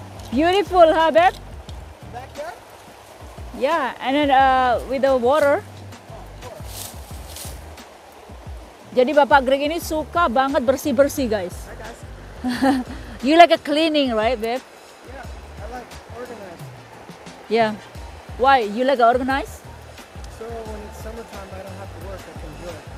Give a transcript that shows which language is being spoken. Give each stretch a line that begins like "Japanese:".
English: Beautiful, huh, babe? Back there? Yeah, and then with the water.
Indonesian: Jadi Bapak Greg ini suka banget bersih-bersih, guys.
English: Hi, guys. You like a cleaning, right, babe? Yeah, I like organized. Yeah. Why? You like organized? So when it's summertime, I don't have to work, I can do it.